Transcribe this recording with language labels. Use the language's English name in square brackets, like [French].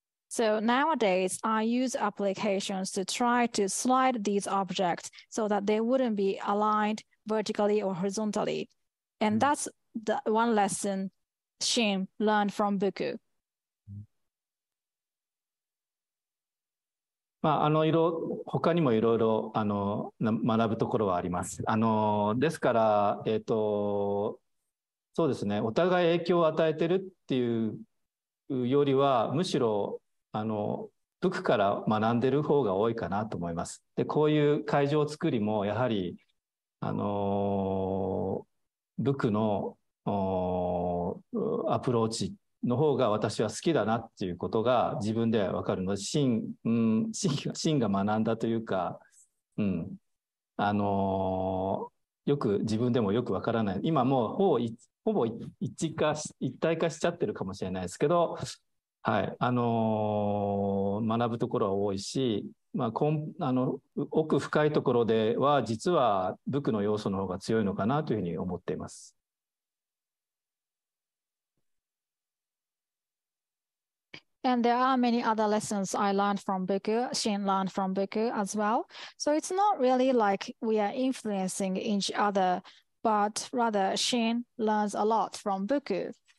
[English] So nowadays, I use applications to try to slide these objects so that they wouldn't be aligned vertically or horizontally. And that's the one lesson Shin learned from Buku. [Japanese] まあ、他にもいろいろ学ぶところはあります。ですから、そうですね、お互い影響を与えてるっていうよりは、むしろ僕から学んでる方が多いかなと思います。で、こういう会場作りもやはり僕のアプローチの方が私は好きだなっていうことが自分で分かるので、シンが学んだというか、よく自分でもよく分からない、今もうほぼ一体化しちゃってるかもしれないですけど、はい、学ぶところは多いし、まあ、奥深いところでは実は僕の要素の方が強いのかなというふうに思っています。 [English] And there are many other lessons I learned from Buku, Shin learned from Buku as well. So it's not really like we are influencing each other, but rather Shin learns a lot from Buku.